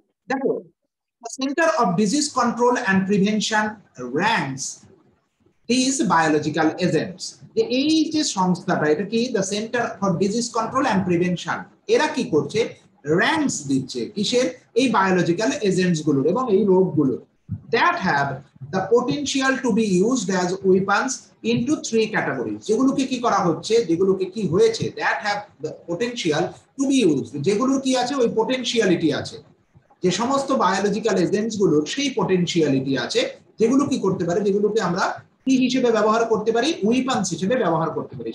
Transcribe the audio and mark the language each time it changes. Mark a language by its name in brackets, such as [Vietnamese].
[English] দেখো, centre of disease control and prevention ranks this biological agents. [Bangla] এই যে সংস্থাটা, এটা কি [English] the centre for disease control and prevention, [Bangla] এরা কি করছে, র্যাঙ্কস দিচ্ছে কিসের, এই বায়োলজিক্যাল এজেন্টস গুলোর এবং এই রোগগুলোর. [English] That have the potential to be used as weapons into three categories. [Bangla] যেগুলো কি করা হচ্ছে, যেগুলো কি হয়েছে, [English] that have the potential to be used. [Bangla] যেগুলো কি আছে, ওই potentiality আছে. যে সমস্ত biological agents গুলো সেই potentiality আছে, যেগুলো কি করতে পারে, যেগুলোকে আমরা কি হিসেবে ব্যবহার করতে পারি, weapons হিসেবে ব্যবহার করতে পারি.